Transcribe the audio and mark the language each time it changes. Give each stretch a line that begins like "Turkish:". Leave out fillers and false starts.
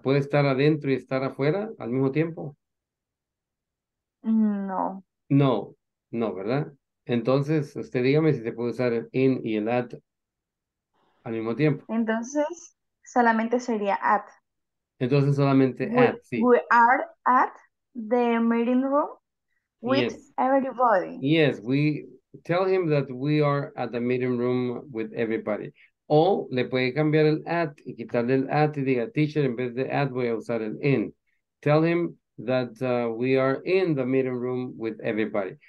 Spanish: ¿Puede estar adentro y estar afuera al mismo tiempo? No. No, no, ¿verdad? Entonces, usted dígame si se puede usar el in y el at al mismo tiempo. Entonces, solamente sería at. Entonces, solamente at, sí.
English: We are at the meeting room with everybody. Yes, we tell him that we are at the meeting room with everybody.
Spanish: O le puede cambiar el at y quitarle el at y diga, teacher, en vez de at voy a usar el in.
English: Tell him that we are in the meeting room with everybody.